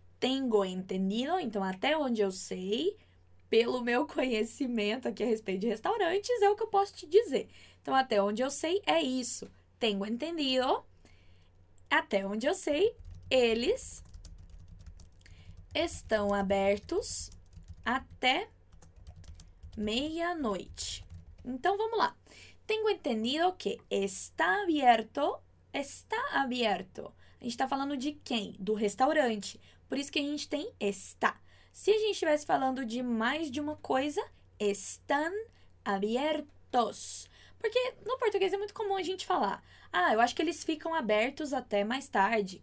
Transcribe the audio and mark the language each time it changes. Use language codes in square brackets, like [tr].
[es] Tengo entendido. [pt] Então, até onde eu sei, pelo meu conhecimento aqui a respeito de restaurantes, é o que eu posso te dizer. Então, até onde eu sei, é isso. [es] Tengo entendido. [pt] Até onde eu sei, eles estão abertos até meia-noite. Então, vamos lá. [es] Tengo entendido que está aberto. [pt] Está aberto. A gente está falando de quem? Do restaurante. Por isso que a gente tem está. Se a gente estivesse falando de mais de uma coisa, [es] están abiertos. [pt] Porque no português é muito comum a gente falar, ah, eu acho que eles ficam abertos até mais tarde.